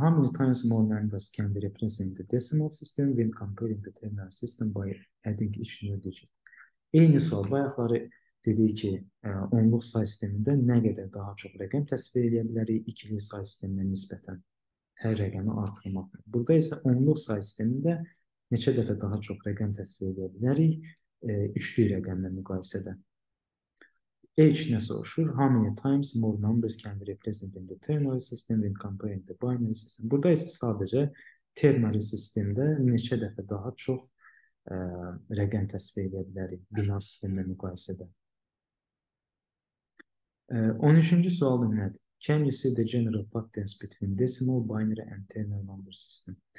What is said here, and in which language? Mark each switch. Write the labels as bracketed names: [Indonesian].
[English] How many times more numbers can be represented in the decimal system when comparing the ternary system by adding each new digit? [Azerbaijani] Eyni sual. Bayaqları dedi ki, onluq say sisteminde ne kadar daha çok rəqəm təsvir edə bilərik ikili say sisteminde nispeten her rəqəmi artırmaq. Burada ise onluq say sisteminde neçə dəfə daha çok rəqəm təsvir edə bilərik üçlü rəqəmlə müqayisədə. H ne soruşur? [English] How many times more numbers can be represented in the ternary system when compared to the binary system? [Azerbaijani] Burada ise sadece ternary sistemde neçə dəfə daha çox rəqəm təsvir edə bilərik binar sistemle müqayisədə. 13. sual nədir? [English] Can you see the general patterns between decimal, binary and ternary number system?